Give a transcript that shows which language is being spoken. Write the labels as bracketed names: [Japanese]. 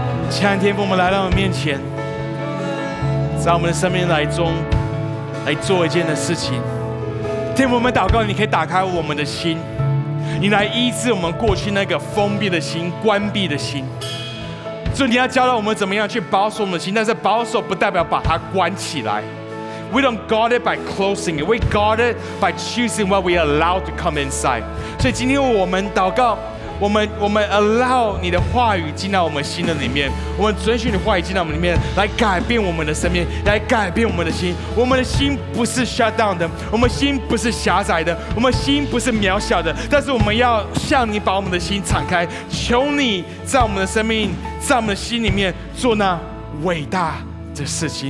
[Chinese] 亲爱的天父，我们来到我们面前，在我们的生命来中来做一件的事情。天父，我们祷告，你可以打开我们的心，你来医治我们过去那个封闭的心、关闭的心。所以你要教导我们怎么样去保守我们的心，但是保守不代表把它关起来。 [English] We don't guard it by closing it. We guard it by choosing what we allow to come inside. [Chinese] 所以今天我们祷告，我们 allow 你的话语进到我们心的里面，我们准许你的话语进到我们里面，来改变我们的生命，来改变我们的心。我们的心不是 [English] shut down [Chinese] 的，我们心不是狭窄的，我们心不是渺小的，但是我们要向你把我们的心敞开，求你在我们的生命，在我们的心里面做那伟大的事情。